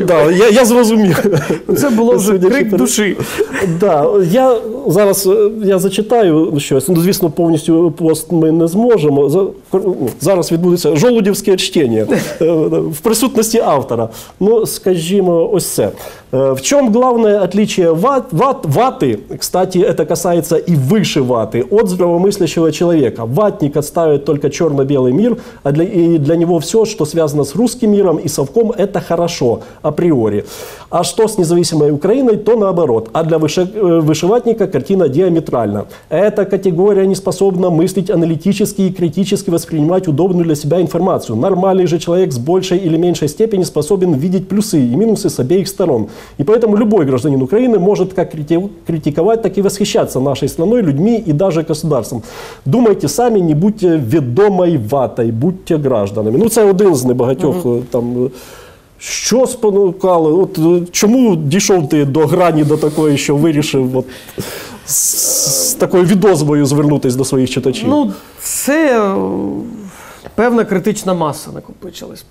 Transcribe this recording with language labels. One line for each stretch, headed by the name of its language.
Ukrainian: Да, я зрозумів. Це було вже крик душі. Да, я зараз я зачитаю щось, ну, звісно, повністю пост ми не зможемо. Зараз відбудеться «Жолудівське чтення» в присутності автора. Ну, скажімо, ось це. В чому головне
Russian: отличие вати, кстати, это касается и выше вати, от здравомыслящего человека. Ватник отставит только черно-белый мир, а для него все, что связано с русским миром и совком, это хорошо, априори. А что с независимой Украиной, то наоборот. А для вышеватника картина диаметральна. Эта категория не способна мыслить аналитически и критически воспринимать удобную для себя информацию. Нормальный же человек с большей или меньшей степени способен видеть плюсы и минусы с обеих сторон. И поэтому любой гражданин Украины может как критиковать, так и восхищаться нашей страной, людьми и даже государством. Думайте сами, не будьте ведомой ватой, будьте гражданами.
Ukrainian: Ну, це один з небагатьох там... Що спонукало? От, чому дійшов ти до грані, до такої, що вирішив от, з такою відозвою звернутися до своїх читачів? Ну, це певна критична маса накопичилась.